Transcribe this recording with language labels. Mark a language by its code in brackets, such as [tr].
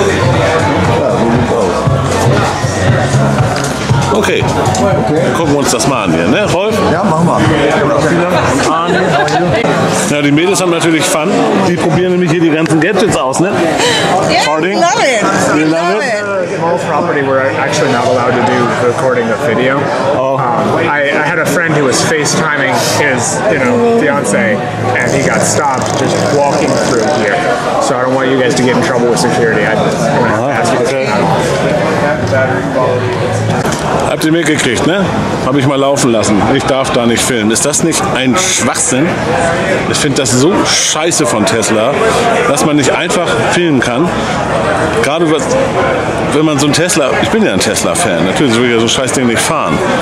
[de] Ja, okay, gucken wir uns das mal an hier, ne, Rolf? Ja, machen wir. Okay. Ja, die Mädels haben natürlich Fun. Die probieren nämlich hier die ganzen Gadgets aus, ne? [en] Farting. Yeah, love it. We love it. Small property, we're actually not allowed to do recording of video. Oh. I had a friend who was FaceTiming his, you know, fiance, and he got stopped just walking through here. So I don't want you guys to get in trouble with security. I'm going to ask you to [de] Habt ihr mitgekriegt, ne? Hab ich mal laufen lassen. Ich darf da nicht filmen. Ist das nicht ein Schwachsinn? Ich finde das so scheiße von Tesla, dass man nicht einfach filmen kann. Gerade wenn man so ein Tesla, ich bin ja ein Tesla-Fan, natürlich will ich ja so ein Scheißding nicht fahren.